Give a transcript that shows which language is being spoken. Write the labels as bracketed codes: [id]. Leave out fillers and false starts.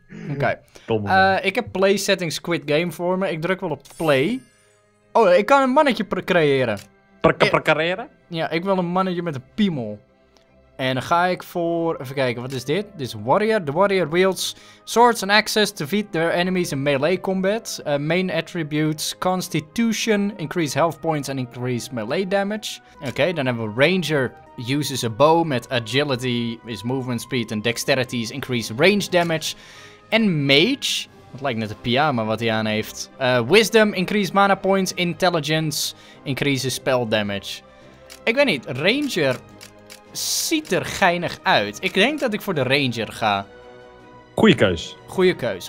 [nl] Oké. Ik heb play settings Squid Game voor me. Ik druk wel op play. Oh, ik kan een mannetje creëren. Precreëren? Ja, ik wil een mannetje met een piemel. En dan ga ik voor... Even kijken, wat is dit? Dit is Warrior. [en] The Warrior wields swords and axes to defeat their enemies in melee combat. Main attributes, constitution, increase health points and increase melee damage. [nl] Oké, dan hebben we [en] Ranger. Uses a bow met agility, his movement speed and dexterity is increase range damage. [nl] En Mage, het lijkt net een pyjama wat hij aan heeft. [en] Wisdom, increase mana points, intelligence, increase spell damage. [nl] Ik weet niet, Ranger ziet er geinig uit. Ik denk dat ik voor de Ranger ga. Goeie keus,